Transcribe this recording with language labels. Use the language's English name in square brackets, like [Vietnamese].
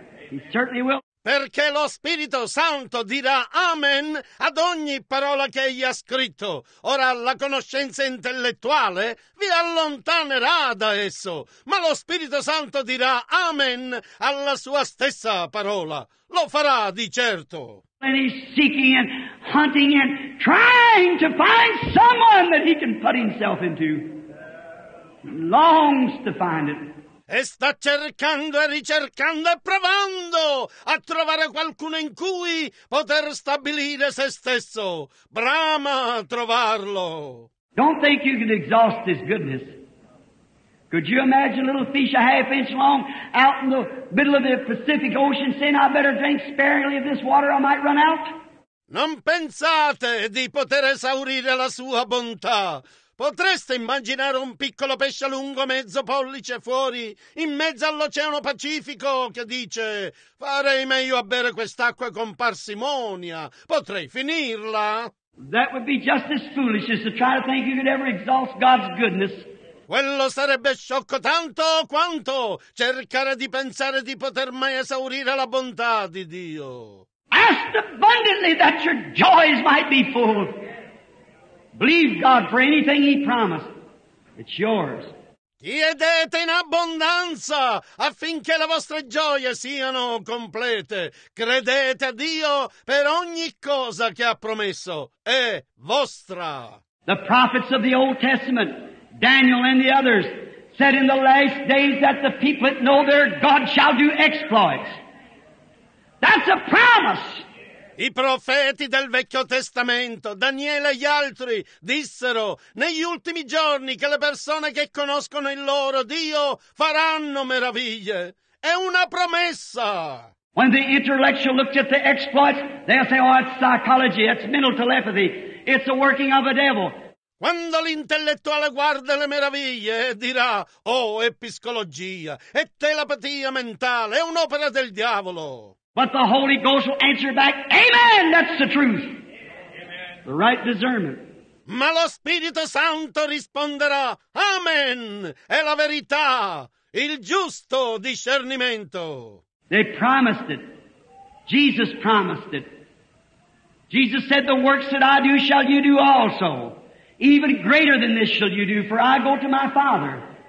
[English] He certainly will. [Italian] Perché lo Spirito Santo dirà amen ad ogni parola che egli ha scritto. Ora la conoscenza intellettuale vi allontanerà da esso, ma lo Spirito Santo dirà amen alla sua stessa parola. Lo farà di certo. [English] And he's seeking and hunting and trying to find someone that he can put himself into. Longs to find it. [Italian] E sta cercando e ricercando e provando a trovare qualcuno in cui poter stabilire se stesso. Brama trovarlo. [English] Don't think you can exhaust his goodness. Could you imagine a little fish a half inch long out in the middle of the Pacific Ocean saying, I better drink sparingly of this water, I might run out? [Italian] Non pensate di poter esaurire la sua bontà. Potreste immaginare un piccolo pesce lungo mezzo pollice fuori, in mezzo all'Oceano Pacifico, che dice: farei meglio a bere quest'acqua con parsimonia, potrei finirla. [English] That would be just as foolish as to try to think you could ever exhaust God's goodness. [Italian] Quello sarebbe sciocco tanto quanto cercare di pensare di poter mai esaurire la bontà di Dio. [English] Ask abundantly that your joys might be full. Believe God for anything He promised. It's yours. [Italian] Chiedete in abbondanza affinché le vostre gioie siano complete. Credete a Dio per ogni cosa che ha promesso. È vostra. [English] The prophets of the Old Testament, Daniel and the others, said in the last days that the people that know their God shall do exploits. That's a promise. [Italian] I profeti del Vecchio Testamento, Daniele e gli altri, dissero: negli ultimi giorni che le persone che conoscono il loro Dio faranno meraviglie. È una promessa. [English] When the intellectual looked at the exploits, they'll say, oh, it's psychology, it's mental telepathy, it's the working of a devil. [Italian] Quando l'intellettuale guarda le meraviglie e dirà: oh, è psicologia, è telepatia mentale, è un'opera del diavolo. [English] But the Holy Ghost will answer back, amen, that's the truth. Amen. The right discernment. [Italian] Ma lo Spirito Santo risponderà, amen, è la verità, il giusto discernimento. [English] They promised it. Jesus promised it. Jesus said, the works that I do shall you do also. Even greater than this shall you do, for I go to my Father.